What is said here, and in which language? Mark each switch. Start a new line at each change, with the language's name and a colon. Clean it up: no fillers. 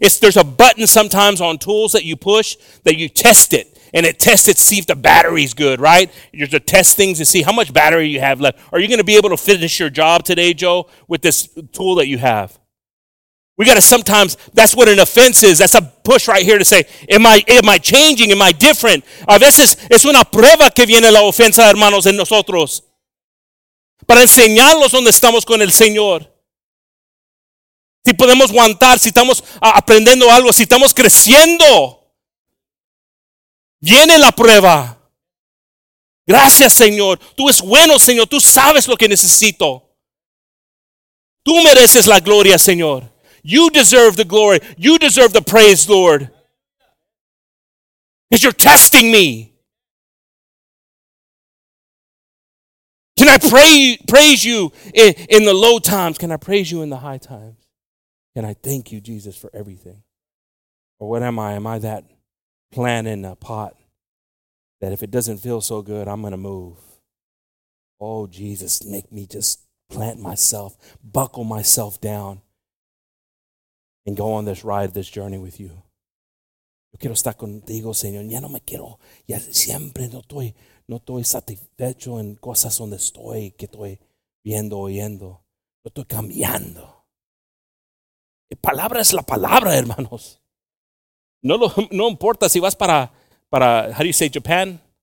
English: There's a button sometimes on tools that you push that you test it. And it tests it to see if the battery's good, right? You're to test things to see how much battery you have left. Are you going to be able to finish your job today, Joe, with this tool that you have? We got to sometimes, that's what an offense is. That's a push right here to say, am I changing? Am I different?
Spanish: A veces es una prueba que viene la ofensa, hermanos, en nosotros. Para enseñarlos donde estamos con el Señor. Si podemos aguantar, si estamos aprendiendo algo, si estamos creciendo. Viene la prueba. Gracias, Señor. Tú eres bueno, Señor. Tú sabes lo que necesito. Tú mereces la gloria, Señor.
English: You deserve the glory. You deserve the praise, Lord. Because you're testing me. Can I praise you in the low times? Can I praise you in the high times? Can I thank you, Jesus, for everything? Or what am I? Am I that plant in a pot that if it doesn't feel so good, I'm going to move? Oh, Jesus, make me just plant myself, buckle myself down. And go on this ride, this journey with you.
Spanish: Yo quiero estar contigo, Señor. Ya no me quiero. Ya siempre no estoy satisfecho en cosas donde estoy, que estoy viendo, oyendo. No estoy cambiando. La palabra es la palabra, hermanos. No importa si vas para
English: how do you say Japan?